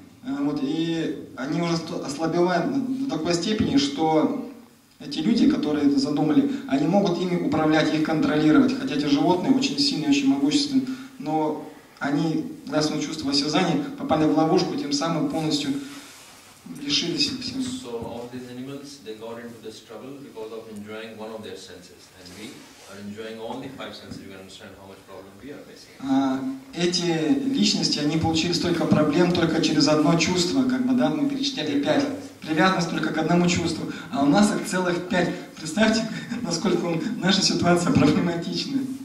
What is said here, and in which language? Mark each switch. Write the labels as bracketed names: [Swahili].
[Russian] Вот, и они уже ослабевают до такой степени, что эти люди, которые это задумали, они могут ими управлять, их контролировать. Хотя эти животные очень сильные, очень могущественные. Но они, для своего чувства осязания, попали в ловушку, тем самым полностью лишились их всего. [English] So, all these animals, they got into this trouble because of enjoying one of their senses. And we are enjoying only five senses. You can understand how much problem we are facing. [Russian] Эти личности, они получили столько проблем только через одно чувство, как бы, да, мы перечитали пять. Привязанность только к одному чувству, а у нас их целых пять. Представьте, насколько наша ситуация проблематична.